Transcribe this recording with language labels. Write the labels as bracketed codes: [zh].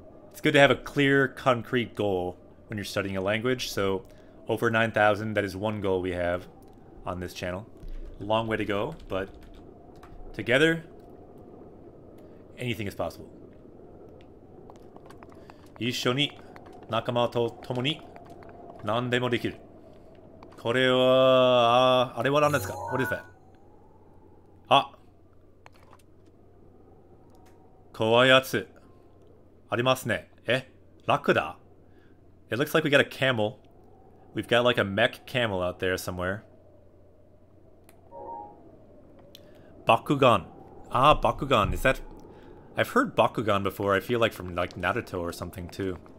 [en] It's good to have a clear, concrete goal when you're studying a language, so over 9,000, that is one goal we have on this channel. Long way to go, but together, anything is possible. [ja] 一緒に仲間と共に何でもできる。これは、あれは何ですか? [en] What is that? [ja] あ、怖いやつありますね。え、ラクダ? [en] It looks like we got a camel. We've got like a mech camel out there somewhere. バクガン。ああ、バクガン。Is that... I've heard Bakugan before, I feel like from like Naruto or something too.